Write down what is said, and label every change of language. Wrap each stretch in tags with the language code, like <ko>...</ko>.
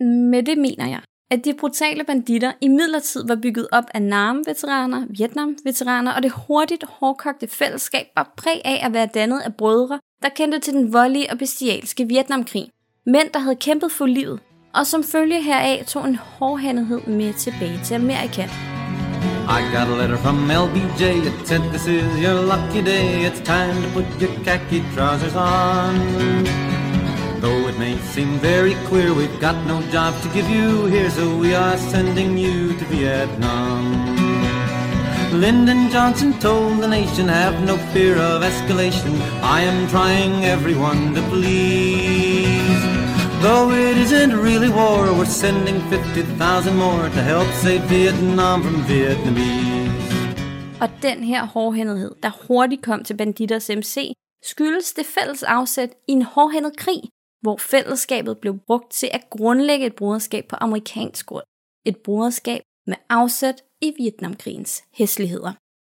<da>Med det mener jeg, at de brutale banditter imidlertid var bygget op af Nam-veteraner, Vietnam-veteraner og det hurtigt hårdkogte fællesskab var præg af at være dannet af brødre, der kendte til den voldelige og bestialske Vietnamkrig. Mænd, der havde kæmpet for livet, og som følge heraf tog en hårdhændighed med tilbage til Amerika.</da> <en>I got a letter from LBJ, it said this is your lucky day, it's time to put your khaki trousers on. Though it may seem very clear, we've got no job to give you here, so we are sending you to Vietnam. Lyndon Johnson told the nation, have no fear of escalation, I am trying everyone to please. Though it isn't really war, we're sending 50,000 more to help save Vietnam from Vietnamese.</en> <da>Og den her hårdhændighed, der hurtigt kom til Banditternes MC, skyldes det fælles afsæt i en hårdhændet krig, hvor fællesskabet blev brugt til at grundlægge et broderskab på amerikansk grund. Et broderskab med afsæt i Vietnamkrigens hæsligheder.</da>